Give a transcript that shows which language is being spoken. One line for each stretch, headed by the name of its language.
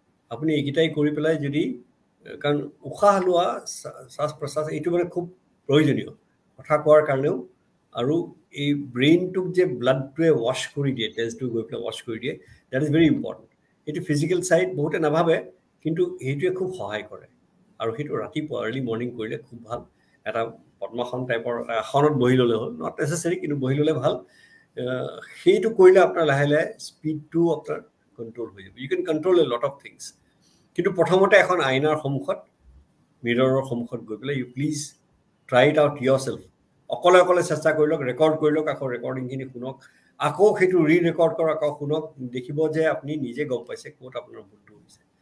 Assamese: আপুনি এইকেইটাই কৰি পেলাই যদি, কাৰণ উশাহ লোৱা, শ্বাস প্ৰশ্বাস, এইটো মানে খুব প্ৰয়োজনীয় কথা কোৱাৰ কাৰণেও, আৰু এই ব্ৰেইনটোক যে ব্লাডটোৱে ৱাশ্ব কৰি দিয়ে, তেজটো গৈ পেলাই ৱাশ্ব কৰি দিয়ে,
English: That is very important.
Assamese: এইটো ফিজিকেল ছাইড বহুতে নাভাবে, কিন্তু সেইটোৱে খুব সহায় কৰে। আৰু সেইটো ৰাতিপুৱা আৰ্লি মৰ্ণিং কৰিলে খুব ভাল, এটা পদ্মাসন টাইপৰ এটা আসনত বহি ল'লে হ'ল,
English: not necessary,
Assamese: কিন্তু বহি ল'লে ভাল। সেইটো কৰিলে আপোনাৰ লাহে লাহে স্পীডটো আপোনাৰ কণ্ট্ৰল হৈ যাব,
English: You can control a lot of things.
Assamese: কিন্তু প্ৰথমতে এখন আইনাৰ সন্মুখত, মিৰৰৰ সন্মুখত গৈ পেলাই
English: you please try it out yourself,
Assamese: অকলে অকলে চেষ্টা কৰি লওক, ৰেকৰ্ড কৰি লওক, আকৌ ৰেকৰ্ডিংখিনি শুনক, আকৌ সেইটো ৰি ৰেকৰ্ড কৰক, আকৌ শুনক, দেখিব যে আপুনি নিজে গম পাইছে ক'ত আপোনাৰ ভুলটো হৈছে।